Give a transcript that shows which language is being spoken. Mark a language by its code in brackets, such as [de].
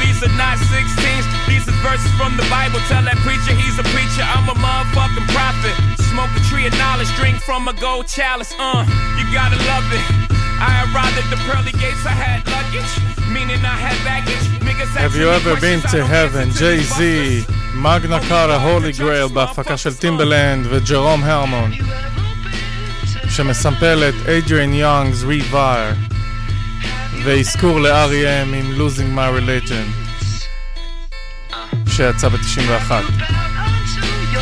[en] These are not 16s. These are verses from the Bible. Tell that preacher he's a preacher. I'm a motherfucking prophet. Smoke a tree of knowledge, drink from a gold chalice. You gotta love it. I arrived at the pearly gates. I had luggage, meaning I had baggage. Niggas, have you ever been to heaven? [he] Jay-Z, Magna Carta, Holy Grail, בהפקה של טימבלנד וג'רום הרמון, שמסמפלת אדריאן יונגס ריבייר, ואזכור ל-R.E.M. עם Losing My Religion שיצא ב-91.